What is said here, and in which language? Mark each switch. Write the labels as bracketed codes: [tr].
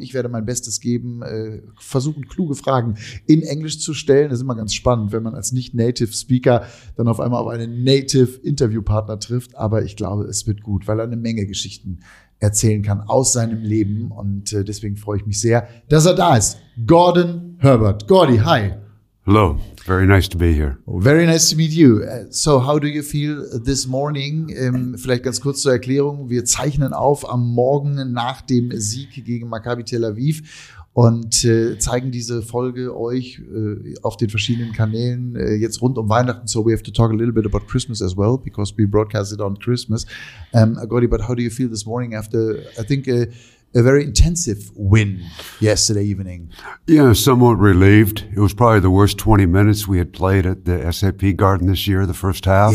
[de] Ich werde mein Bestes geben, versuchen, kluge Fragen in Englisch zu stellen. Das ist immer ganz spannend, wenn man als Nicht-Native-Speaker dann auf einmal auf einen Native-Interviewpartner trifft. Aber ich glaube, es wird gut, weil er eine Menge Geschichten erzählen kann aus seinem Leben. Und deswegen freue ich mich sehr, dass er da ist. Gordon Herbert. Gordy, hi. [en] Hello, very nice to be here. Very nice to meet you. So how do you feel this morning? [de] Vielleicht ganz kurz zur Erklärung. Wir zeichnen auf am Morgen nach dem Sieg gegen Maccabi Tel Aviv und zeigen diese Folge euch auf den verschiedenen Kanälen jetzt rund um Weihnachten. [en] So we have to talk a little bit about Christmas as well, because we broadcast it on Christmas. Gordy, but how do you feel this morning after, I think, a very intensive win yesterday evening? Yeah, somewhat relieved. It was probably the worst 20 minutes we had played at the SAP Garden this year, the first half.